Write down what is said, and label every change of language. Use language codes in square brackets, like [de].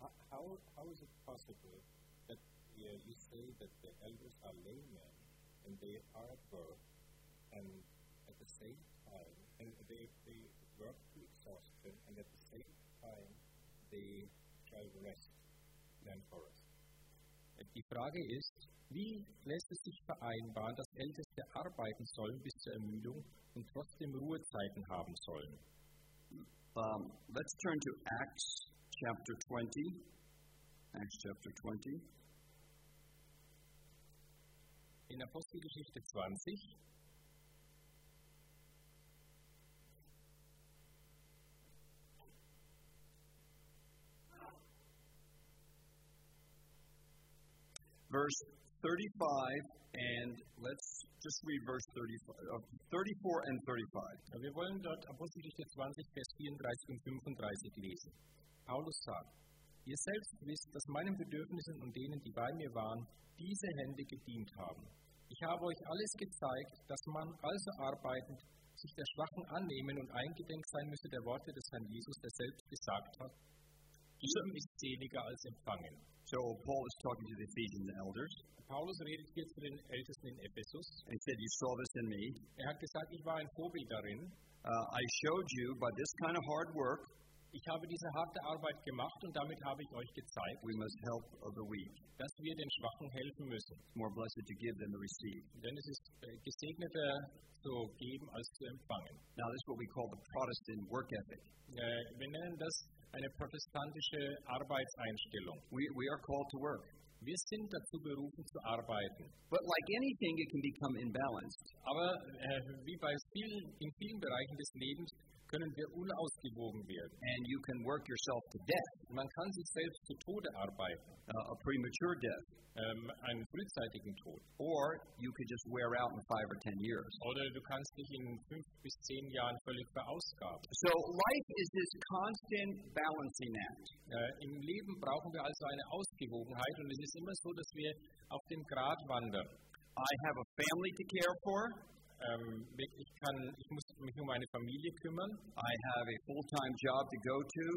[en] How is it possible that you say that the elders are laymen and they are birth, and at the same time, and they work to exhaustion, and at the same time, they try to rest land for us? [de] Die Frage ist, wie lässt es sich vereinbaren, dass Älteste arbeiten sollen bis zur Ermüdung und trotzdem Ruhezeiten haben sollen? [en] Let's turn to Acts chapter 20. Acts chapter 20. [de] In Apostelgeschichte 20. [en] Verse 35, and let's just read verse 34 and 35. [de] Wir wollen dort Apostelgeschichte 20, Vers 34 und 35 lesen. Paulus sagt: Ihr selbst wisst, dass meinen Bedürfnissen und denen, die bei mir waren, diese Hände gedient haben. Ich habe euch alles gezeigt, dass man also arbeitend sich der Schwachen annehmen und eingedenk sein müsse der Worte des Herrn Jesus, der selbst gesagt hat: Geben ist seliger als empfangen. [en] So Paul is talking to the Ephesian elders. [de] Paulus redet hier zu den Ältesten in Ephesus. [en] He said, "You saw this in me." [de] Er hat gesagt, ich war ein Vorbild darin. [en] I showed you by this kind of hard work. [de] Ich habe diese harte Arbeit gemacht und damit habe ich euch gezeigt, [en] we must help the weak. [de] Dass wir den Schwachen helfen müssen. [en] It's more blessed to give than to receive. [de] Denn es ist gesegneter zu geben als zu empfangen. [en] Now this is what we call the Protestant work ethic. [de] Wir nennen das eine protestantische Arbeitseinstellung. [en] We are called to work. [de] Wir sind dazu berufen zu arbeiten. [en] But like anything, it can become imbalanced. [de] Aber wie bei vielen, in vielen Bereichen des Lebens können wir unausgewogen werden. [en] And you can work yourself to death. [de] Man kann sich selbst zu Tode arbeiten. [en] A premature death. [de] Einen frühzeitigen Tod. [en] Or you could just wear out in 5 or 10 years. [de] Oder du kannst dich in 5 bis 10 Jahren völlig verausgaben. [en] So life is this constant balancing act. [de] Im Leben brauchen wir also eine Ausgewogenheit und es ist immer so, dass wir auf dem Grat wandern. [en] I have a family to care for. [de] Ich muss mich um meine Familie kümmern. [en] I have a full-time job to go to.